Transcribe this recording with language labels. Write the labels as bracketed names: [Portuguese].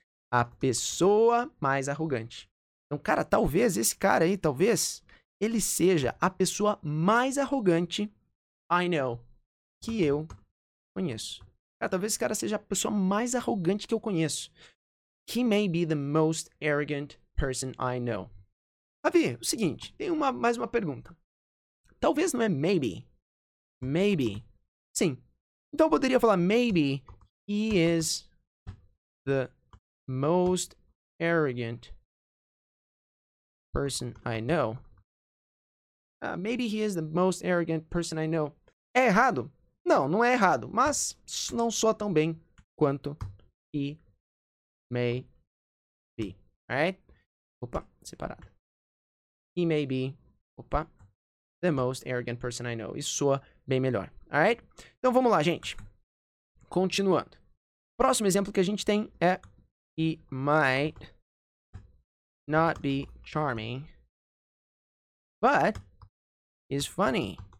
[Portuguese] A pessoa mais arrogante. Então, cara, talvez esse cara aí, talvez ele seja a pessoa mais arrogante [English] I know [Portuguese] que eu conheço. Cara, talvez esse cara seja a pessoa mais arrogante que eu conheço. [English] He may be the most arrogant person I know. [Portuguese] Ravi, o seguinte, tem mais uma pergunta. Talvez não é maybe. Maybe. Sim. Então eu poderia falar [English] maybe he is the most arrogant person I know. Maybe he is the most arrogant person I know. [Portuguese] É errado? Não, não é errado. Mas não soa tão bem quanto [English] he may be. [Portuguese] Alright? Opa, separado. [English] He may be, the most arrogant person I know. [Portuguese] Isso soa bem melhor. Alright? Então vamos lá, gente. Continuando. Próximo exemplo que a gente tem é [English] he might not be charming, but is funny.